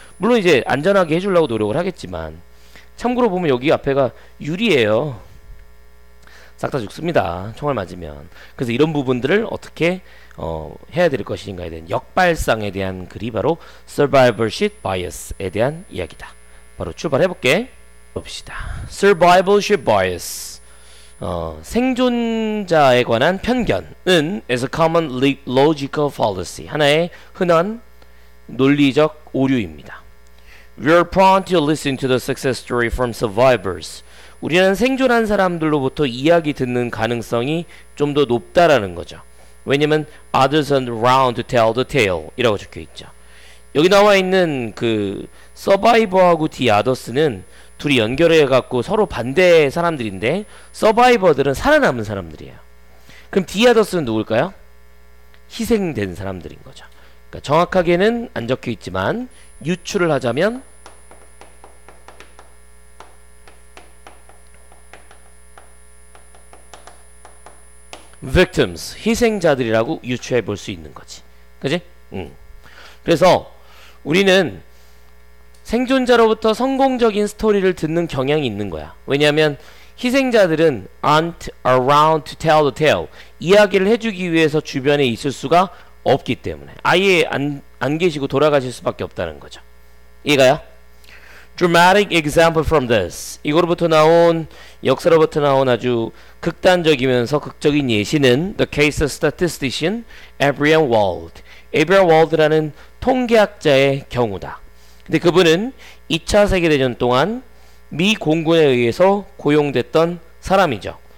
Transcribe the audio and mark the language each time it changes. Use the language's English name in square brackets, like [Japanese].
[Korean] 물론 이제 안전하게 해주려고 노력을 하겠지만. 참고로 보면 여기 앞에가 유리예요. 싹다 죽습니다. 총알 맞으면. 그래서 이런 부분들을 어떻게 해야 될 것인가에 대한 역발상에 대한 글이 바로 Survivorship Bias에 대한 이야기다. 바로 출발해 볼게. 봅시다. Survivorship Bias. 생존자에 관한 편견은 [English] is a common logical fallacy. [Korean] 하나의 흔한 논리적 오류입니다. [English] We are prone to listen to the success story from survivors. [Korean] 우리는 생존한 사람들로부터 이야기 듣는 가능성이 좀더 높다라는 거죠. 왜냐면 [English] others aren't around to tell the tale이라고 [Korean] 적혀 있죠. 여기 나와 있는 그 서바이버하고 the others는 둘이 연결해 갖고 서로 반대 사람들인데 서바이버들은 살아남은 사람들이에요. 그럼 the others는 누굴까요? 희생된 사람들인 거죠. 그러니까 정확하게는 안 적혀 있지만 유추를 하자면 Victims, 희생자들이라고 유추해 볼수 있는 거지. 그지? 응. 그래서 우리는 생존자로부터 성공적인 스토리를 듣는 경향이 있는 거야. 왜냐하면 희생자들은 [English] aren't around to tell the tale. [Korean] 이야기를 해주기 위해서 주변에 있을 수가 없기 때문에. 아예 안 계시고 돌아가실 수밖에 없다는 거죠. 이해가요? [English] Dramatic example from this. [Korean] 이거로부터 나온, 역사로부터 나온 아주 극단적이면서 극적인 예시는 [English] The Case Statistician, [Korean] Abraham Wald. Abraham Wald라는 통계학자의 경우다. 근데 그분은 2차 세계대전 동안 미 공군에 의해서 고용됐던 사람이죠.